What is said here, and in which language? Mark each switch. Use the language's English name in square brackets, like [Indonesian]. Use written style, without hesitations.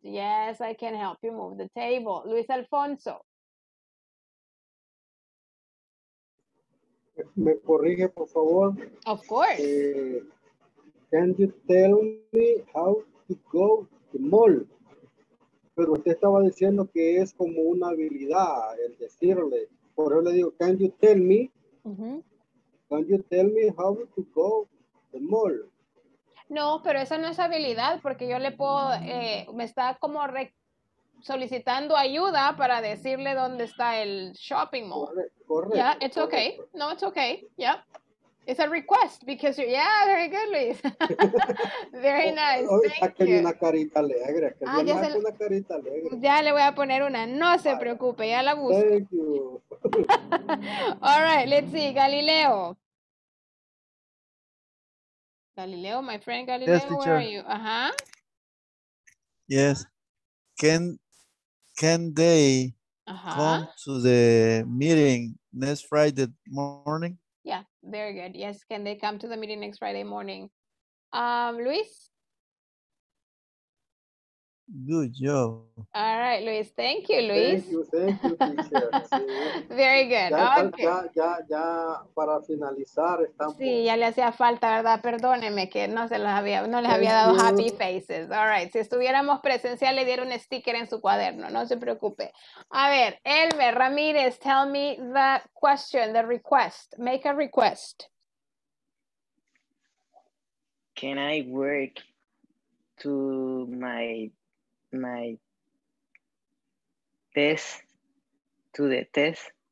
[English] Yes, I can help you move the table. Luis Alfonso. [Spanish] Me corrige, por favor. [English] Of course. Can you tell me how to go to the mall? [Spanish] Pero usted estaba diciendo que es como una habilidad el decirle. Por eso le digo, [English] can you tell me? Uh-huh. Can you tell me how to go to the mall? [Spanish] No, pero esa no es habilidad, porque yo le puedo, me está como solicitando ayuda para decirle dónde está el shopping mall. Correcto. [English] Yeah, it's okay. No, it's okay. Yeah. It's a request because you're, yeah, very good, Luis. Very nice. Thank you. [Spanish] Una carita alegre. Una carita alegre. Ya le voy a poner una. No se preocupe, ya la busco. [English] Thank you. All right, let's see. Galileo. Galileo, my friend Galileo, yes, where are you? Uh-huh. Yes. Can they come to the meeting next Friday morning? Yeah, very good. Yes, can they come to the meeting next Friday morning? Luis? Good job. All right, Luis. Thank you, Luis. Thank you, Very good. [Spanish] Ya, [English] okay. [Spanish] Ya para finalizar estamos. Sí, ya le hacía falta, ¿verdad? Perdóneme que no se los había, no les había dado happy faces. [English] All right, [Spanish] si estuviéramos presencial le diera un sticker en su cuaderno, no se preocupe. A ver, [English] Elmer Ramírez, tell me the question, the request. Make a request. Can I work to my test, to the test.